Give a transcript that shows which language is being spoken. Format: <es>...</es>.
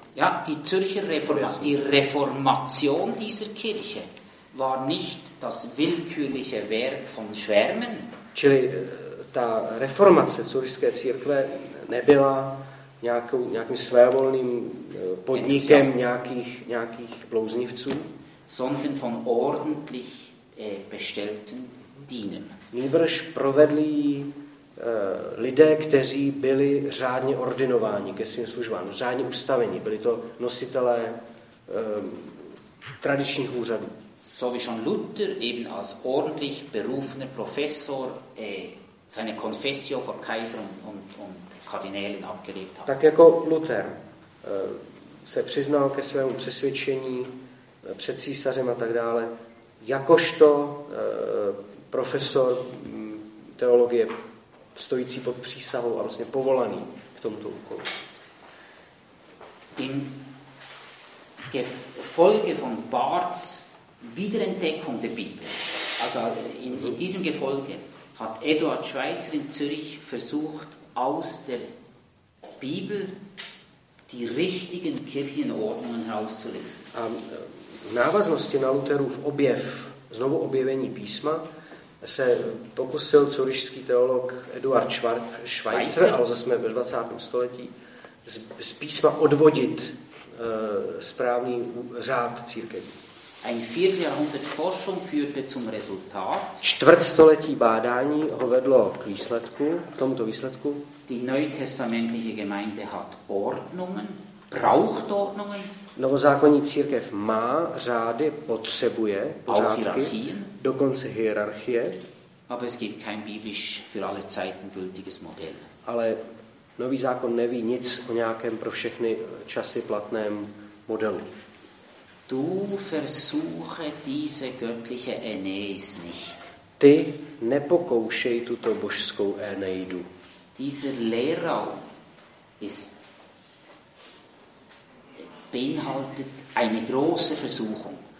<de>Ja, die Zürcher Reformation dieser Kirche war nicht das willkürliche Werk von Schwärmen.</de> <cs>Čili ta reformace zürichské církve nebyla nějakým svévolným podnikem nějakých blouznivců,</cs> <de>sondern von ordentlich bestellten Dienen.</de> <cs>Nýbrž provedli lidé, kteří byli řádně ordinováni ke svým službám, řádně ustaveni, byli to nositelé tradičních úřadů.</cs> <de>So wie schon Luther eben als ordentlich berufener Professor seine Confessio vor Kaiser und Kardinälen abgelegt hat.</de> <cs>Tak jako Luther se přiznal ke svému přesvědčení před císařem a tak dále, jakožto profesor teologie stojící pod přísahou a vlastně povolaný k tomuto úkolu.</cs> <de>In Gefolge von Barths Wiederentdeckung der Bibel. Also in diesem Gefolge hat Eduard Schweitzer in Zürich versucht aus der Bibel die richtigen kirchlichen Ordnungen herauszulesen.</de> <cs>V návaznosti na Lutherův objev, znovu objevení písma, se pokusil curišský teolog Eduard Schweitzer, ale zase jsme ve 20. století, z písma odvodit správný řád církevní.</cs> <de>Ein Vierteljahrhundert Forschung führte zum Resultat.</de> <cs>Čtvrtstoletí bádání ho vedlo k výsledku, k tomuto výsledku.</cs> <de>Die neutestamentliche Gemeinde hat Ordnungen, braucht Ordnungen.</de> <cs>Novozákonní církev má řády, potřebuje pořádky, dokonce hierarchie.</cs> <de>Aber es gibt kein biblisch für alle Zeiten gültiges Modell.</de> <cs>Ale Nový zákon neví nic o nějakém pro všechny časy platném modelu.</cs> <de>Du versuche diese göttliche Aeneis nicht.</de> <cs>Ty nepokoušej tuto božskou Aeneidu.</cs> <de>Dieser Lehrraum ist beinhaltet eine große Versuchung.</de>